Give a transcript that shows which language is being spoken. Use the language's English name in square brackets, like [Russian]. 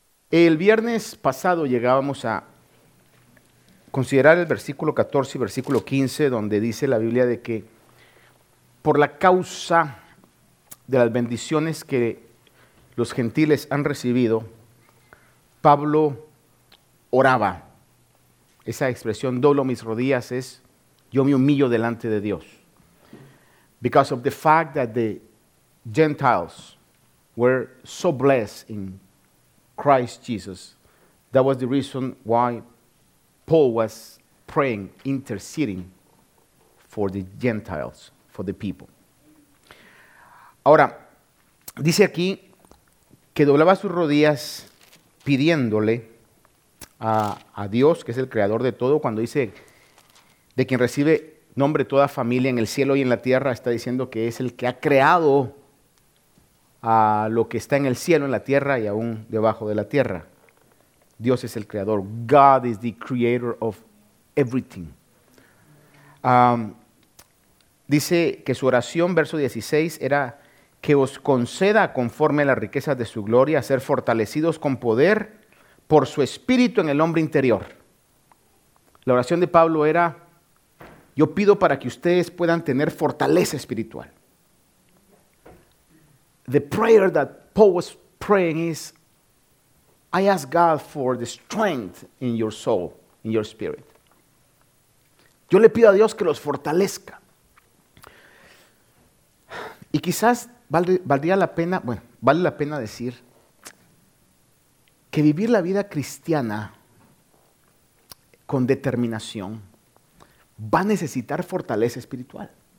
[Spanish] El viernes pasado llegábamos a considerar el versículo 14 y versículo 15, donde dice la Biblia de que por la causa de las bendiciones que los gentiles han recibido, Pablo oraba. Esa expresión, doblo mis rodillas, es yo me humillo delante de Dios. [English] Because of the fact that the Gentiles were so blessed in Christ Jesus. That was the reason why Paul was praying, interceding for the Gentiles, for the people. [Spanish] Ahora, dice aquí que doblaba sus rodillas pidiéndole a Dios, que es el creador de todo, cuando dice de quien recibe nombre toda familia en el cielo y en la tierra, está diciendo que es el que ha creado a lo que está en el cielo, en la tierra y aún debajo de la tierra. Dios es el creador. [English] God is the creator of everything. [Spanish] Dice que su oración, verso 16, era que os conceda conforme a las riquezas de su gloria, ser fortalecidos con poder por su espíritu en el hombre interior. La oración de Pablo era, yo pido para que ustedes puedan tener fortaleza espiritual. [English] The prayer that Paul was praying is, I ask God for the strength in your soul, in your spirit. [Spanish] Yo le pido a Dios que los fortalezca. Y quizás valdría la pena, bueno, vale la pena decir que vivir la vida cristiana con determinación va a necesitar fortaleza espiritual.